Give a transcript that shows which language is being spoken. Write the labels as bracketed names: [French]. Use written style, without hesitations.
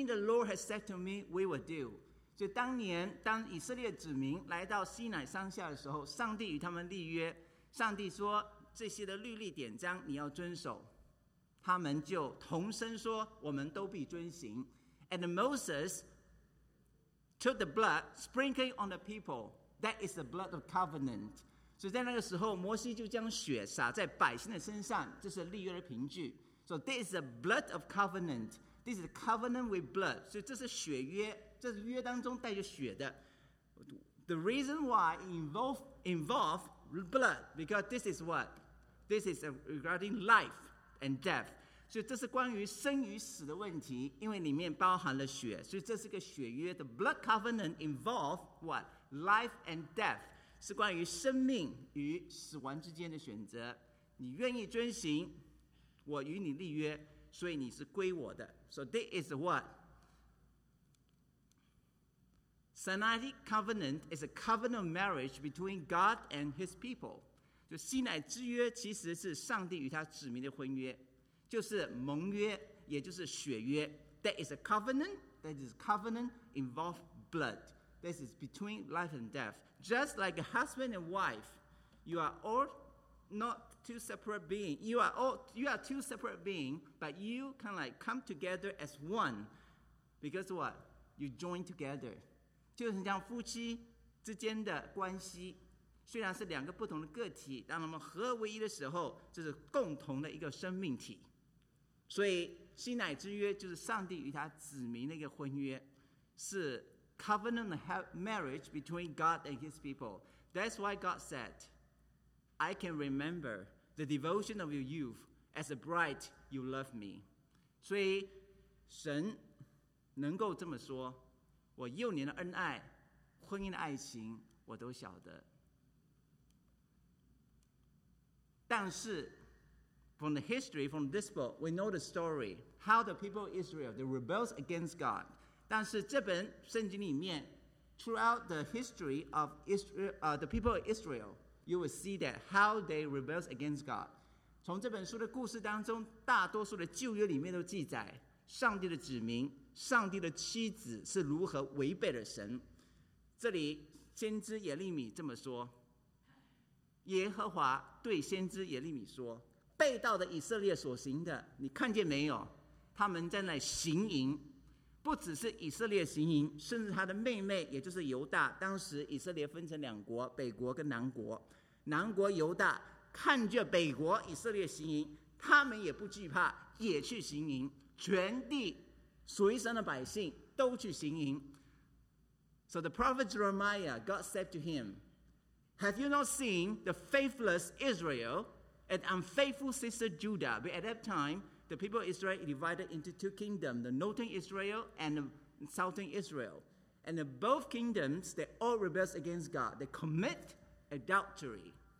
[English] the Lord has said to me, we will do. [Chinese] 所以当年当以色列子民来到西乃山下的时候，上帝与他们立约，上帝说这些的律例典章你要遵守，他们就同声说我们都必遵行。 [English] And Moses took the blood, sprinkling on the people. That is the blood of covenant. [Chinese] 所以在那个时候，摩西就将血洒在百姓的身上，这是立约的凭据。 [English] So this is the blood of covenant. This is a covenant with blood. [Chinese] 所以这是血约，这是约当中带着血的。 [English] The reason why involve blood, because this is what? This is regarding life and death. [Chinese] 所以这是关于生与死的问题，因为里面包含了血，所以这是个血约。 [English] The blood covenant involve what? Life and death. [Chinese] 是关于生命与死亡之间的选择。你愿意遵行，我与你立约，所以你是归我的。 [English] So this is what? Sinaitic covenant is a covenant of marriage between God and his people. [Chinese] 就西乃之约其实是上帝与他子民的婚约，就是盟约，也就是血约。 [English] That is a covenant. That is a covenant involved blood. This is between life and death. Just like a husband and wife, you are all not two separate beings. You are two separate beings, but you can like come together as one. Because what? You join together. [Chinese] 就很像夫妻之间的关系，虽然是两个不同的个体，当他们合而为一的时候，这是共同的一个生命体。所以西乃之约就是上帝与他子民的一个婚约，是 [English] covenant marriage between God and his people. That's why God said, I can remember the devotion of your youth as a bride you love me. [Chinese] 所以神能够这么说，我幼年的恩爱，婚姻的爱情，我都晓得。但是 [English] from the history, from this book, we know the story, how the people of Israel, they rebels against God. [Chinese] 但是这本圣经里面 [English] throughout the history of Israel, the people of Israel, you will see that how they rebels against God. [Chinese] 从这本书的故事当中，大多数的旧约里面都记载上帝的子民，上帝的妻子是如何违背了神。这里先知耶利米这么说，耶和华对先知耶利米说，被盗的以色列所行的，你看见没有？他们在那行淫，不只是以色列行淫，甚至他的妹妹也就是犹大，当时以色列分成两国，北国跟南国，南国犹大看着北国以色列行淫，他们也不惧怕，也去行淫，全地属于神的百姓都去行淫。 [English] So the prophet Jeremiah, God said to him, Have you not seen the faithless Israel and unfaithful sister Judah? But at that time, the people of Israel divided into two kingdoms, the northern Israel and the southern Israel. And in both kingdoms, they all rebel against God. They commit adultery.